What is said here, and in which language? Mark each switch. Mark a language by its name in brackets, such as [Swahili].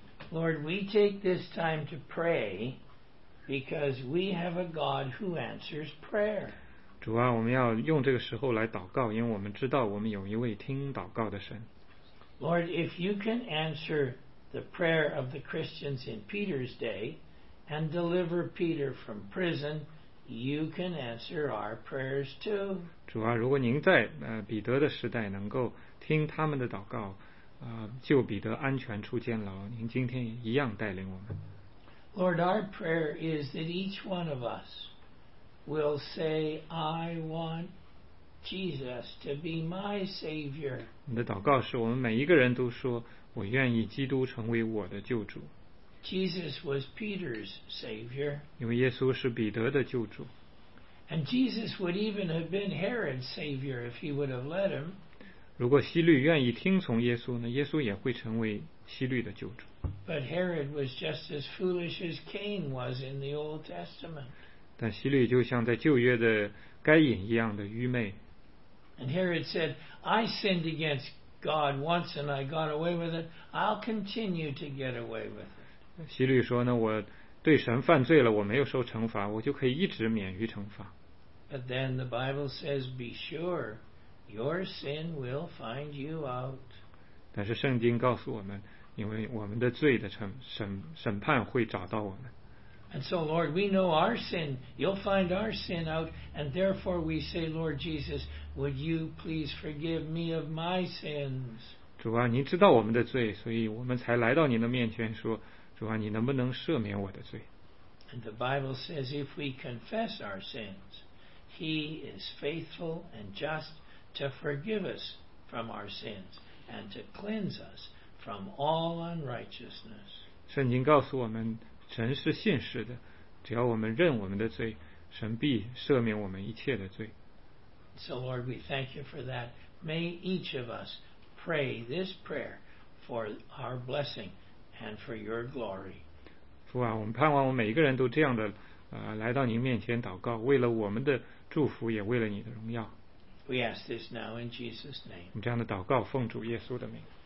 [English] Lord, we take this time to pray because we have a God who answers prayer. [Chinese] 主啊，我们要用这个时候来祷告，因为我们知道我们有一位听祷告的神。 [English] Lord, if you can answer the prayer of the Christians in Peter's day and deliver Peter from prison, you can answer our prayers too. [Chinese] 主啊，如果您在彼得的时代能够听他们的祷告，救彼得安全出监牢，您今天一样带领我们。 [English] Lord, our prayer is that each one of us will say, "I want Jesus to be my Savior." [Chinese] 你的祷告是我们每一个人都说，我愿意基督成为我的救主。 [English] Jesus was Peter's Savior. [Chinese] 因为耶稣是彼得的救主。 [English] And Jesus would even have been Herod's Savior if he would have let him. [Chinese] 如果希律愿意听从耶稣呢，耶稣也会成为希律的救主。 [English] But Herod was just as foolish as Cain was in the Old Testament. [Chinese] 但希律就像在旧约的该隐一样的愚昧。 [English] And Herod said, "I sinned against God once and I got away with it. I'll continue to get away with it." [Chinese] 希律说呢，我对神犯罪了，我没有受惩罚，我就可以一直免于惩罚。 [English] But then the Bible says, "Be sure, your sin will find you out." [Chinese] 但是圣经告诉我们，因为我们的罪的审判会找到我们。 [English] And so, Lord, we know our sin. You'll find our sin out, and therefore we say, "Lord Jesus, would you please forgive me of my sins?" [Chinese] 主啊，您知道我们的罪，所以我们才来到您的面前说，主啊，你能不能赦免我的罪？ [English] And the Bible says, if we confess our sins, He is faithful and just to forgive us from our sins and to cleanse us from all unrighteousness. [Chinese] 圣经告诉我们，神是信实的，只要我们认我们的罪，神必赦免我们一切的罪。 [English] So Lord, we thank you for that. May each of us pray this prayer for our blessing and for your glory. [Chinese] 主啊，我们盼望我们每一个人都这样的，来到您面前祷告，为了我们的祝福，也为了你的荣耀。 [English] We ask this now in Jesus' name. [Chinese] 我们这样的祷告，奉主耶稣的名。